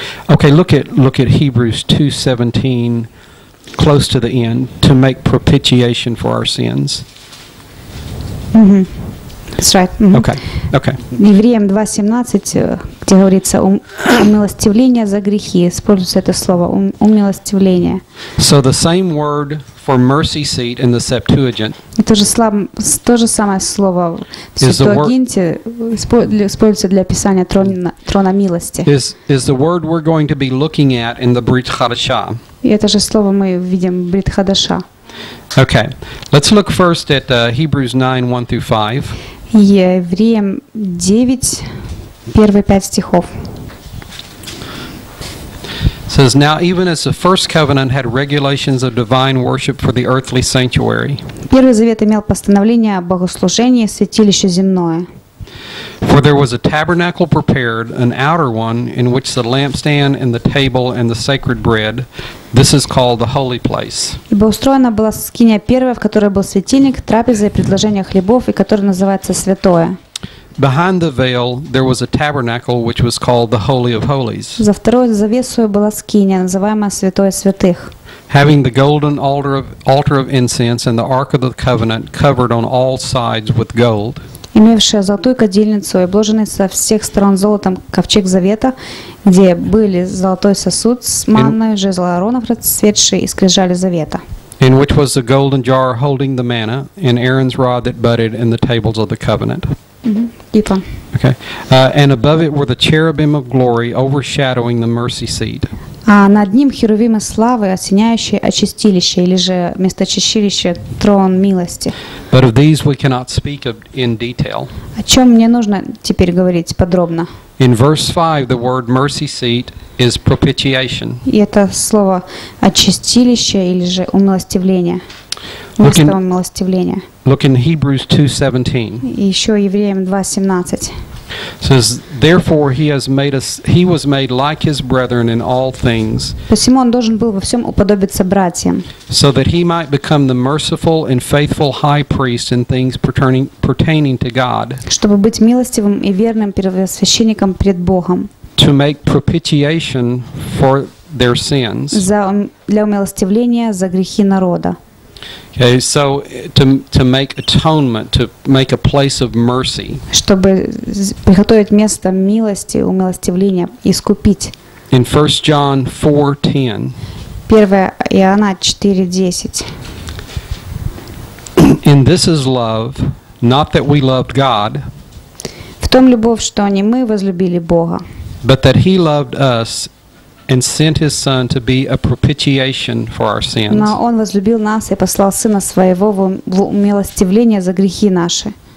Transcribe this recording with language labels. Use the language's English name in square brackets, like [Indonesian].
[English] Okay, look at Hebrews 2:17, close to the end, to make propitiation for our sins. Mm-hmm. That's right. Mm-hmm. Okay. [Russian] Евреям 2:17, где говорится умилостивление за грехи, используется это слово умилостивление. [English] So the same word for mercy seat in the Septuagint. [Russian] То же самое слово в Септуагинте используется для описания трона милости. [English] Is the word we're going to be looking at in the Брит Хадаша. [Russian] И это же слово мы видим в Брит Хадаша. [English] Okay. Let's look first at Hebrews 9:1-5. [Russian] Евреям 9, первые 5 стихов. [English] It says, now even as the first covenant had regulations of divine worship for the earthly sanctuary. [Russian] Первый завет имел постановление о богослужении, святилище земное. [English] For there was a tabernacle prepared, an outer one, in which the lampstand and the table and the sacred bread. This is called the holy place. [Russian] Ибо устроена была скиния первая, в которой был светильник, трапеза и предложение хлебов, и которая называется святое. [English] Behind the veil there was a tabernacle which was called the Holy of Holies. [Russian] За второй завесой была скиния, называемая Святое святых. [English] Having the golden altar of incense and the ark of the covenant covered on all sides with gold. [Russian] Имевшая золотую кадильницу и обложенный со всех сторон золотом ковчег завета, где были золотой сосуд с манной, жезл Аарона расцветший и скрижали завета. [English] In which was the golden jar holding the manna and Aaron's rod that budded and the tables of the covenant. [Russian] Типа. [English] Okay. And above it were the cherubim of glory overshadowing the mercy seat. [Russian] А над ним херувимы славы, осеняющие очистилище или же местоочищилище, трон милости. [English] But of these we cannot speak of in detail. [Russian] О чем мне нужно теперь говорить подробно? [English] In verse 5 the word mercy seat is propitiation. [Russian] И это слово очистилище или же умилостивление. Место умилостивления. [English] Look in Hebrews 2:17. [Russian] Еще Евреям 2:17. [English] Says, therefore, he has made us. He was made like his brethren in all things. [Russian] Посему он должен был во всем уподобиться братьям. [English] So that he might become the merciful and faithful high priest in things pertaining to God. [Russian] Чтобы быть милостивым и верным первосвященником пред Богом. [English] To make propitiation for their sins. [Russian] Для умилостивления за грехи народа. [English] Okay, so to make atonement, to make a place of mercy. [Russian] Чтобы приготовить место милости, умилостивления, искупить. [English] In 1 John 4:10. [Russian] 1 Иоанна 4:10. [English] And this is love, not that we loved God. [Russian] В том любовь, что не мы возлюбили Бога. [English] But that he loved us and sent his son to be a propitiation for our sins. [Russian] Но он возлюбил нас и послал сына своего в умилостивление за грехи наши.